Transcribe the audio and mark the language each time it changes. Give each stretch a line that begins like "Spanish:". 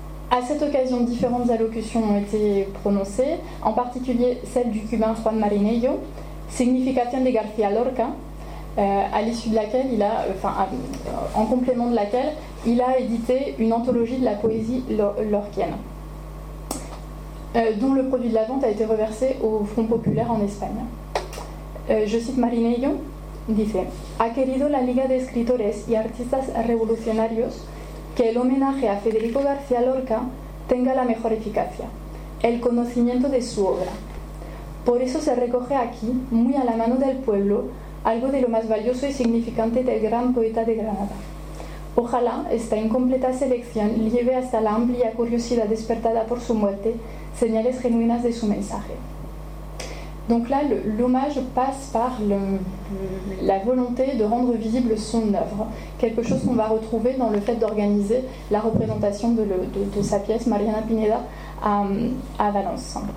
French: À cette occasion, différentes allocutions ont été prononcées, en particulier celle du Cubain Juan Marinello,
Spanish: Significación de García Lorca,
French: à l'issue de laquelle en complément de laquelle il a édité une anthologie de la poésie lorquienne, dont le produit de la vente a été reversé au Front Populaire en Espagne. Je cite Marinello.
Spanish: Dice, ha querido la Liga de Escritores y Artistas Revolucionarios que el homenaje a Federico García Lorca tenga la mejor eficacia, el conocimiento de su obra. Por eso se recoge aquí, muy a la mano del pueblo, algo de lo más valioso y significante del gran poeta de Granada. Ojalá esta incompleta selección lleve hasta la amplia curiosidad despertada por su muerte señales genuinas de su mensaje.
French: Donc là, l'hommage passe par la volonté de rendre visible son œuvre, quelque chose qu'on va retrouver dans le fait d'organiser la représentation de sa pièce Mariana Pineda à Valence.